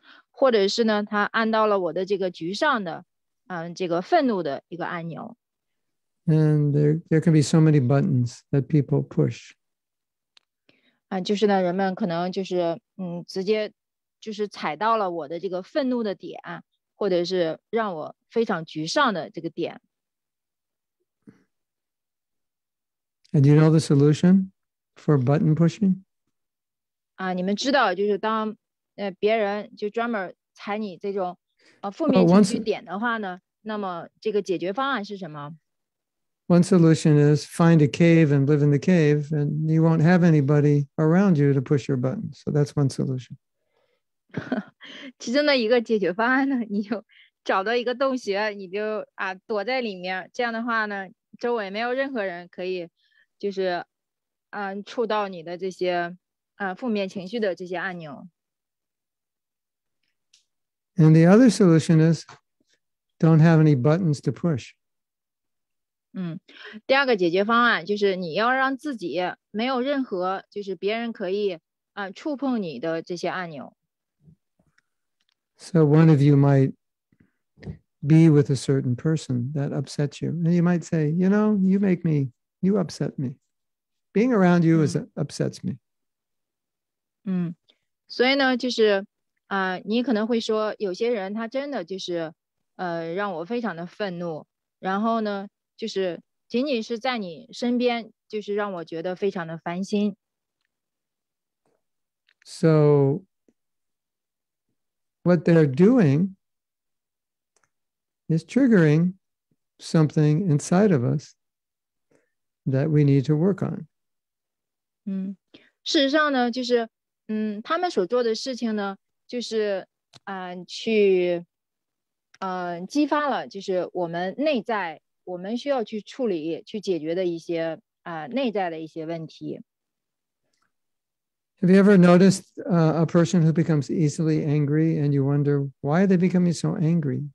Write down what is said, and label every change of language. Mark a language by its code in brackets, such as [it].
[zh] 或者是呢, 他按到了我的这个沮丧的, 这个愤怒的一个按钮。 [en] And there can be so many buttons that people push. [zh] 就是呢, 人们可能就是, 直接就是踩到了我的这个愤怒的点啊, 或者是让我非常沮丧的这个点。 [en] And do you know the solution for button pushing? [zh] 你们知道就是当 别人就专门踩你这种 负面情绪点的话呢, 那么这个解决方案是什么? [en] One solution is find a cave and live in the cave, and you won't have anybody around you to push your buttons. So that's one solution. [zh] 其中的一个解决方案呢, 你就找到一个洞穴, 你就, 啊, 躲在里面, 这样的话呢, 周围没有任何人可以就是, 嗯, 触到你的这些, 嗯, 负面情绪的这些按钮。 [en] And the other solution is don't have any buttons to push. [zh] 第二个解决方案就是你要让自己没有任何就是别人可以 触碰你的这些按钮。 [en] So one of you might be with a certain person that upsets you. And you might say, you know, you make me, you upset me. Being around you is upsets me. [zh] 所以呢就是 你可能会说有些人他真的就是让我非常的愤怒然后呢就是 仅仅是在你身边，就是让我觉得非常的烦心。 [en] So, what they're doing is triggering something inside of us that we need to work on. [zh] 事实上呢，就是他们所做的事情呢，就是去激发了，就是我们内在。我们需要去处理，去解决的一些内在的一些问题。 [en] Have you ever noticed a person who becomes easily angry and you wonder why are they becoming so angry?